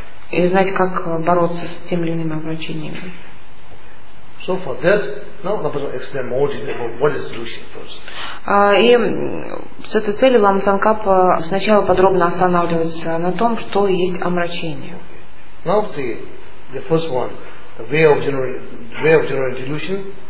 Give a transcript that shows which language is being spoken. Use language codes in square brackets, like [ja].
[ru] И знать, как бороться с тем или иным омрачением. [en] So for that, now I'm going to explain more detail about what is delusion first. [ru] И с этой целью Лама Цанкапа сначала подробно останавливается на том, что есть омрачение. [en] Now see, the first one, the way of generating delusion.